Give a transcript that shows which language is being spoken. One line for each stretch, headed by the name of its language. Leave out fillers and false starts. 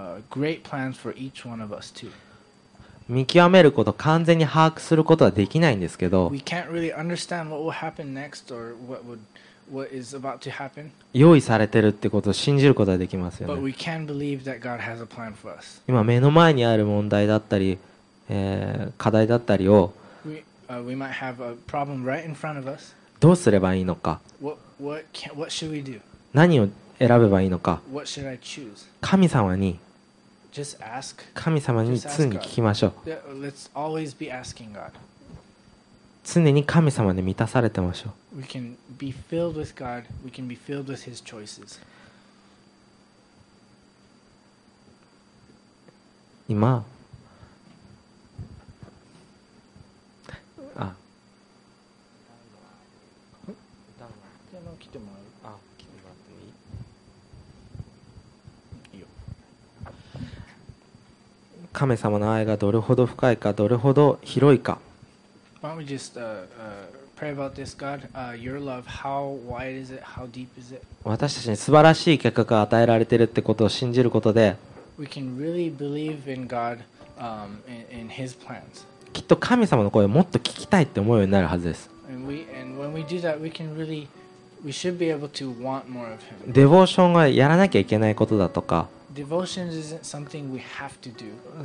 English: great plans for each one of us too.
Japanese: 見極めること、完全に把握することはできないんですけど、
English: we can't really understand what will happen next or what would what is about to happen.
Japanese: 用意されてるってことを信じることはできますよね。
English: But we can believe that God has a plan for us.
Japanese: 今目の前にある問題だったり、課題だったりを、
English: we might have a problem right in front of us.
Japanese: どうすればいいのか。
English: What should we do?
Japanese: 何を選べばいいのか。
English: What should I choose?
Japanese: 神様に。
English: Just ask.
Japanese: 神様に常に聞きましょう。
English: Let's always be asking God.
Japanese: 常に神様で満たされてましょう。
English: We can be filled with God. We can be filled with His choices.
Japanese: 今、あ、じゃあ来てもらう。あ、来てもらってもいい。いいよ。神様の愛がどれほど深いか、どれほど広いか。
English: Why don't we just pray about this, God? Your love, how wide is it? How deep is it?
Japanese: 私たちに素晴らしい計画が与えられているってことを信じることで、
English: we can really believe in God, in His plans.
Japanese: きっと神様の声をもっと聞きたいって思うようになるはずです。
English: And when we do that, we can really, we should be able to want more of Him.
Japanese: デボーションがやらなきゃいけないことだとか、
English: devotion isn't something we have to do.